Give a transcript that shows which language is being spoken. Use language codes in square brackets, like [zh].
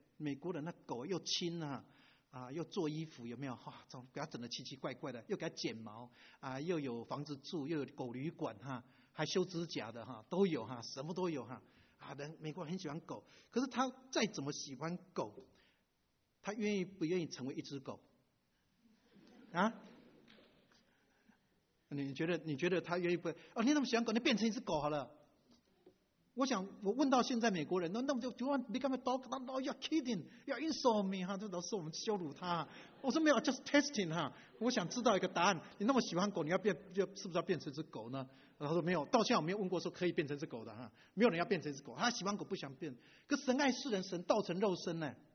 [zh] 美国人那狗又亲啊。啊，又做衣服有没有？哇，总给他整得奇奇怪怪的，又给他剪毛啊，又有房子住，又有狗旅馆哈，还修指甲的哈，都有哈，什么都有哈。啊，人美国人很喜欢狗，可是他再怎么喜欢狗，他愿意不愿意成为一只狗？啊？你觉得他愿意不？哦，你那么喜欢狗，你变成一只狗好了。我想，我问到现在美国人，那么就 [en] Do you want to become a dog? No, no, you're kidding. You're insulting me. [zh] 哈，这老师我们羞辱他。我说没有 ， [en] just testing. [zh] 哈，我想知道一个答案。你那么喜欢狗，你要变，要是不是要变成只狗呢？他说没有，到现在我没有问过说可以变成只狗的哈，没有人要变成只狗。他喜欢狗，不想变。可神爱世人，神道成肉身呢？